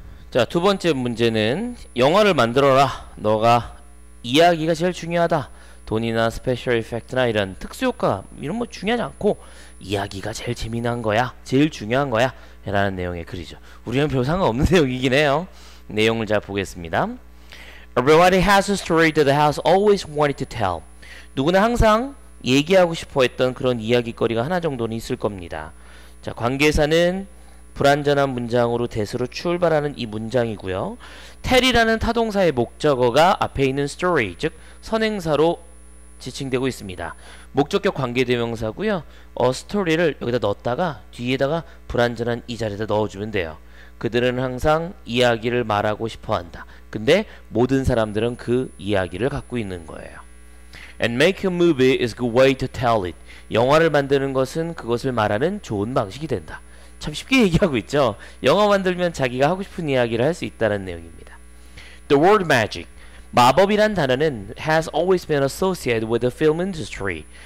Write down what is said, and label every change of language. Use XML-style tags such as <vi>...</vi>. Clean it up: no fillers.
<ko>자, 두 번째 문제는 영화를 만들어라. 너가 이야기가 제일 중요하다. 돈이나 스페셜 이펙트나 이런 특수효과 이런 뭐 중요하지 않고 이야기가 제일 재미난 거야. 제일 중요한 거야. 라는 내용의 글이죠. 우리는 별 상관없는 내용이긴 해요. 내용을 잘 보겠습니다.</ko> <en>Everybody has a story that has always wanted to tell.</en> <ko>누구나 항상 얘기하고 싶어 했던 그런 이야기거리가 하나 정도는 있을 겁니다. 자, 관계사는 불완전한 문장으로 대수로 출발하는 이 문장이고요. tell이라는 타동사의 목적어가 앞에 있는 story, 즉 선행사로 지칭되고 있습니다. 목적격 관계대명사고요. story를 여기다 넣었다가 뒤에다가 불완전한 이 자리에다 넣어주면 돼요. 그들은 항상 이야기를 말하고 싶어한다. 근데 모든 사람들은 그 이야기를 갖고 있는 거예요.</ko> <en>And make a movie is a good way to tell it.</en> <ko>영화를 만드는 것은 그것을 말하는 좋은 방식이 된다. 참 쉽게 얘기하고 있죠. 영화 만들면 자기가 하고 싶은 이야기를 할 수 있다는 내용입니다.</ko> <en>The word magic.</en> <ko>마법이란 단어는</ko> <en>has always been associated with the film industry.</en>